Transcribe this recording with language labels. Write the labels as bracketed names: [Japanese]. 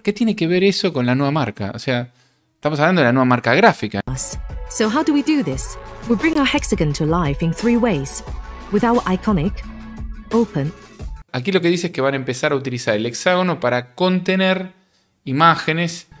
[Spanish] ¿Qué tiene que ver eso con la nueva marca? O sea, estamos hablando de la nueva marca gráfica. [English] So how do we do this? We bring our hexagon to life in three ways. With our iconic, open... [Spanish] Aquí lo que dice es que van a empezar a utilizar el hexágono para contener imágenes.